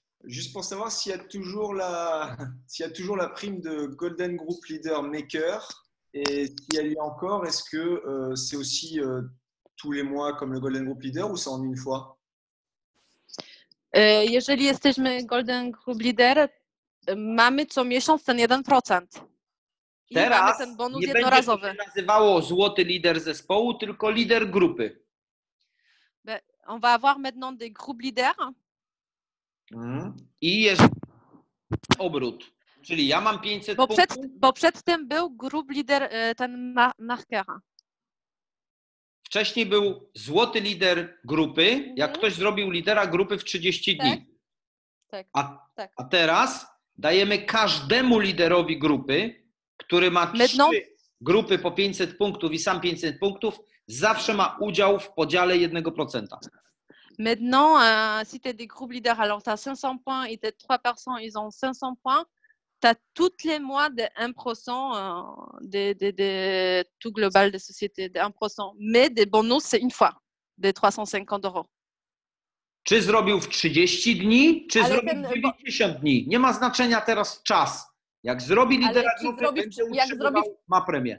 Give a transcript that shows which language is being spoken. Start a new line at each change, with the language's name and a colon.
French: Juste pour savoir s'il y a toujours la prime de Golden Group Leader Maker. Et s'il y a lieu encore, est-ce que c'est aussi tous les mois comme le Golden Group Leader ou c'est en une fois?
Polish: Jeżeli jesteśmy Golden Group Leader, mamy co miesiąc ten 1%. Teraz mamy ten bonus jednorazowy. Nie będzie się nazywało złoty lider zespołu, tylko lider grupy. On va avoir maintenant des groupes leaders. I jest obrót. Czyli ja mam 500 punktów. Bo przedtem był grup lider, ten marker. Wcześniej był złoty lider grupy, jak ktoś zrobił lidera grupy w 30 dni. Tak. A teraz dajemy każdemu liderowi grupy, który ma 3 grupy po 500 punktów i sam 500 punktów, zawsze ma udział w podziale 1%.
French: Maintenant, si tu es des groupes leaders, alors tu as 500 points et tes 3 personnes, ils ont 500 points. T'as tous les mois de 1% de tout global de société, de 1%. Mais des bonus, c'est une fois, de 350 euros.
Polish: Czy zrobił w 30 dni, czy zrobił w 90 dni? Nie ma znaczenia teraz czas. Jak zrobi lidera grupy, będzie utrzymywał, ma premię.